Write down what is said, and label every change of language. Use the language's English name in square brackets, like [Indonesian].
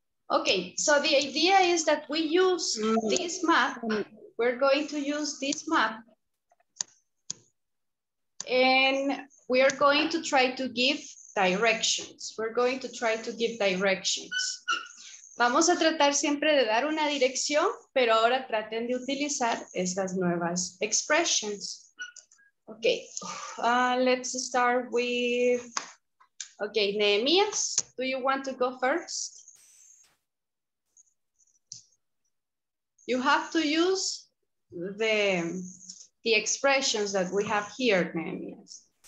[English] Okay, so the idea is that we use this map. We're going to use this map. And we are going to try to give directions. We're going to try to give directions. [Spanish] Vamos a tratar siempre de dar una dirección, pero ahora traten de utilizar estas nuevas expressions. [English] Okay, let's start with, okay, Nehemias, do you want to go first? You have to use the expressions that we have here, Nehemias.